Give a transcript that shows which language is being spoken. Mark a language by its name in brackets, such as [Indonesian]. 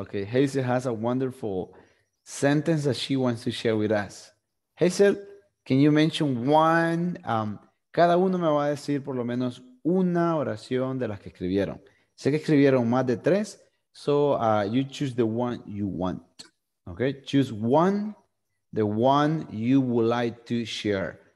[English] Okay, Hazel has a wonderful sentence that she wants to share with us. Hazel, can you mention one? [Spanish] Cada uno me va a decir por lo menos una oración de las que escribieron. Sé que escribieron más de tres, [English] so you choose the one you want. Okay, choose one, the one you would like to share.